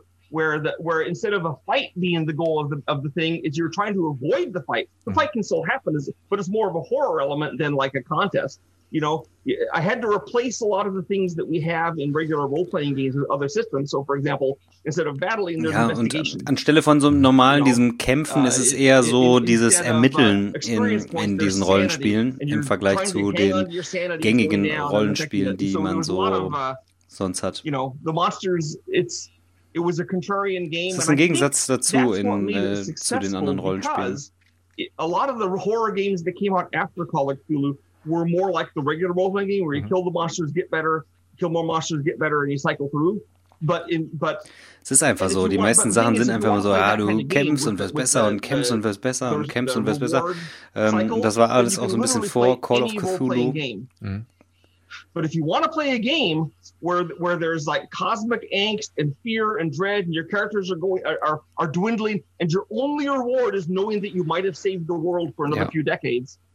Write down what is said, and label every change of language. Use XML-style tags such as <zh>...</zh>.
<en>Where instead of a fight being the goal of the thing, is you're trying to avoid the fight. The fight can still happen, but it's more of a horror element than like a contest. You know, I had to replace a lot of the things that we have in regular role-playing games with other systems. So, for example, instead of battling, there's investigation.</en> <de>Ja, und anstelle von so einem normalen, diesem Kämpfen, ist es eher so dieses Ermitteln in diesen Rollenspielen im Vergleich zu den gängigen Rollenspielen, die man so sonst hat.</de> <en>You know, the monsters, it was a contrarian game.</en> <de>Das ist ein Gegensatz dazu zu den anderen Rollenspielen.</de> <en>A lot of the horror games that came out after Call of Cthulhu were more like the regular role-playing game, where you kill the monsters, get better, kill more monsters, get better, and you cycle through. But</en> <de>es ist einfach so, die meisten Sachen sind einfach immer so, ja, du kämpfst und wirst besser und kämpfst und wirst besser und kämpfst und wirst besser. Das war alles auch so ein bisschen vor Call of Cthulhu.</de> <en>But if you want to play a game where there's like cosmic angst and fear and dread and your characters are dwindling and your only reward is knowing that you might have saved the world for another few decades.</en>